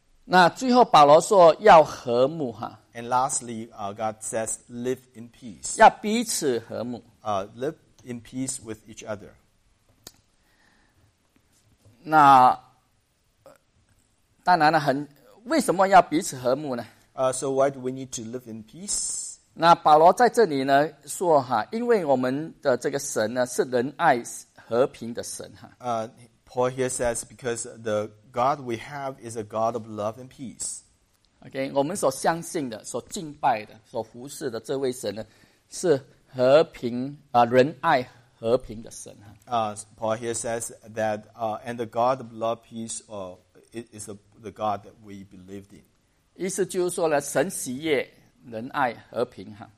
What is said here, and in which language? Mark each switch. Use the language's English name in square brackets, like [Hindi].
[Chinese] 那最后保罗说要和睦哈。 [English] And lastly, God says, live in peace. [Chinese] 要彼此和睦。 [English] Live in peace with each other. [Chinese] 那当然了，为什么要彼此和睦呢？ [English] So why do we need to live in peace? [Chinese] 那保罗在这里呢说哈，因为我们的这个神呢是仁爱和平的神哈。 [English] Paul here says, because the God we have is a God of love and peace. [Chinese] Okay, 我们所相信的、所敬拜的、所服侍的这位神呢，是和平啊、仁爱和平的神哈。 [English] Paul here says that and the God of love, peace, is the God that we believed in. [Chinese] 意思就是说呢，神喜悦仁爱和平哈。